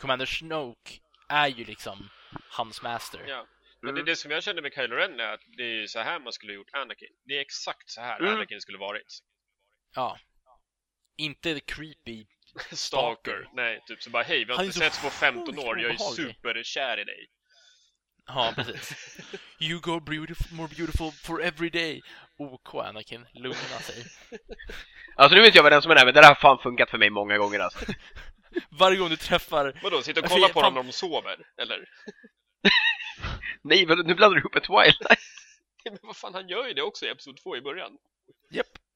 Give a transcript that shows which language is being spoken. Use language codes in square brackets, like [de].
[sv] Commander Snoke är ju liksom hans master. Ja. Men det är det som jag kände med Kylo Ren, är att det är så här man skulle gjort Anakin. Det är exakt så här Anakin skulle varit. Ja. Inte creepy stalker. Nej, typ så bara, hej, vi har inte sett på 15 år. Jag är superkär i dig. Ja, precis. [en] You go beautiful, more beautiful for every day. [sv] OK, Anakin, lugna sig. Alltså nu vet jag vad den som är där, men det där har fan funkat för mig många gånger alltså. Varje gång du träffar. Vadå, sitter och kollar på dem när de sover, eller? Nej, vadå, nu blandar du ihop ett Twilight. Men vad fan, han gör ju det också i episode 2 i början. Japp.